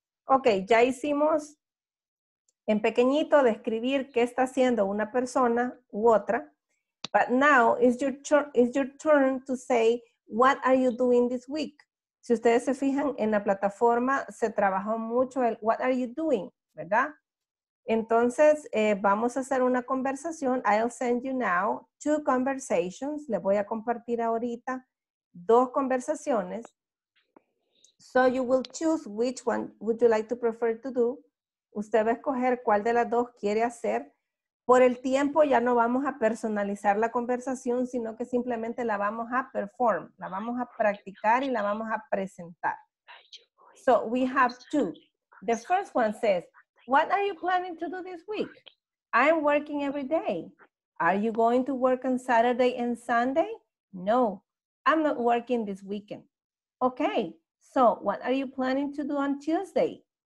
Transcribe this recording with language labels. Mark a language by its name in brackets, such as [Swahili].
[Spanish] Okay, ya hicimos en pequeñito describir qué está haciendo una persona u otra. [English] But now it's your turn to say, what are you doing this week? [Spanish] Si ustedes se fijan en la plataforma, se trabajó mucho el [English] what are you doing, [Spanish] ¿verdad? Entonces, vamos a hacer una conversación. [English] I'll send you now two conversations. [Spanish] Le voy a compartir ahorita dos conversaciones. [English] So you will choose which one would you like to prefer to do. [Spanish] Usted va a escoger cuál de las dos quiere hacer. Por el tiempo ya no vamos a personalizar la conversación, sino que simplemente la vamos a perform, la vamos a practicar y la vamos a presentar. [English] So we have two. The first one says, what are you planning to do this week? I am working every day. Are you going to work on Saturday and Sunday? No, I'm not working this weekend. Okay, so what are you planning to do on Tuesday?